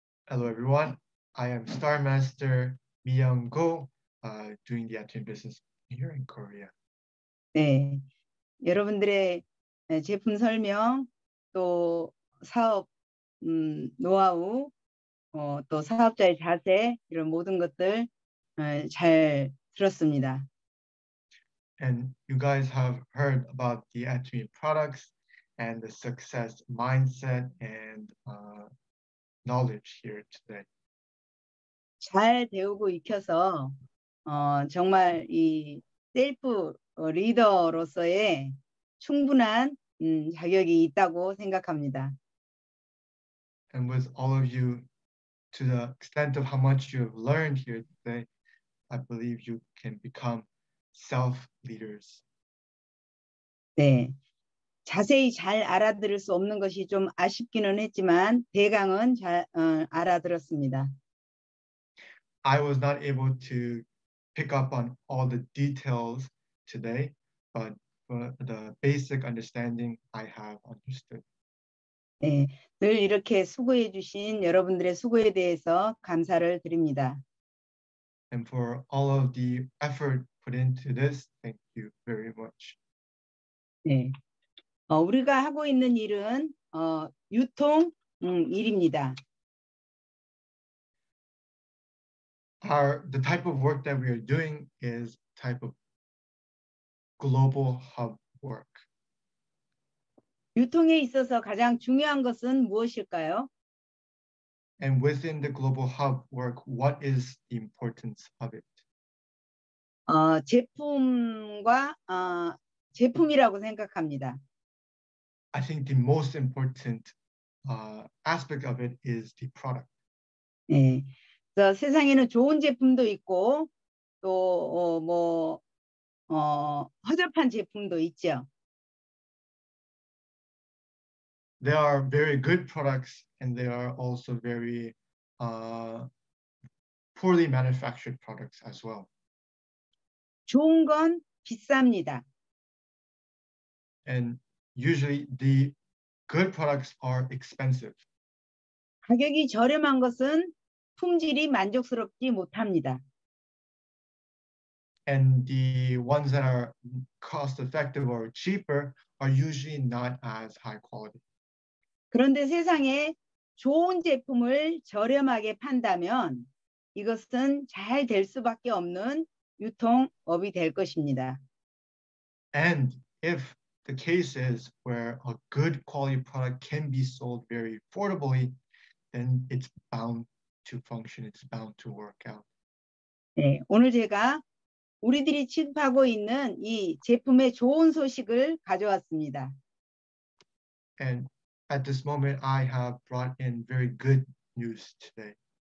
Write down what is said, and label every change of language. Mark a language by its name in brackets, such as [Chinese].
[English] Hello everyone. I am Star Master Mi Young Go, doing the Atomy business here in Korea. [Korean] 네, 여러분들의 제품 설명 또 사업 노하우 또 사업자의 자세 이런 모든 것들 잘 들었습니다. [English] And you guys have heard about the Atomy products and the success mindset and knowledge here today. [Korean] 잘 배우고 익혀서 정말 이 셀프 리더로서의 충분한 자격이 있다고 생각합니다. [English] And with all of you, to the extent of how much you have learned here today, I believe you can become self-leaders. [Korean] 네, 자세히 잘 알아들을 수 없는 것이 좀 아쉽기는 했지만 대강은 잘 알아들었습니다. [English] I was not able to pick up on all the details today, but the basic understanding I have understood. [Korean] 네, 늘 이렇게 수고해 주신 여러분들의 수고에 대해서 감사를 드립니다. [English] And for all of the effort put into this, thank you very much. [Korean] 네, 우리가 하고 있는 일은 유통 일입니다. [English] The type of work that we are doing is type of global hub work. [Korean] 유통에 있어서 가장 중요한 것은 무엇일까요? [English] And within the global hub work, what is the importance of it? [Korean] 제품과 제품이라고 생각합니다. [English] I think the most important aspect of it is the product. [Korean] 네, 그래서 세상에는 좋은 제품도 있고 또 허접한 제품도 있죠. [English] There are very good products and there are also very poorly manufactured products as well. [Korean] 좋은 건 비쌉니다. [English] And usually the good products are expensive. [Korean] 가격이 저렴한 것은 품질이 만족스럽지 못합니다. [English] And the ones that are cost effective or cheaper are usually not as high quality. [Korean] 그런데 세상에 좋은 제품을 저렴하게 판다면 이것은 잘 될 수밖에 없는 유통업이 될 것입니다. [English] And if the case is where a good quality product can be sold very affordably, then it's bound to function, it's bound to work out. [Korean] 네, 오늘 제가 우리들이 취급하고 있는 이 제품의 좋은 소식을 가져왔습니다. [English] And at this moment, I have brought in very good news today.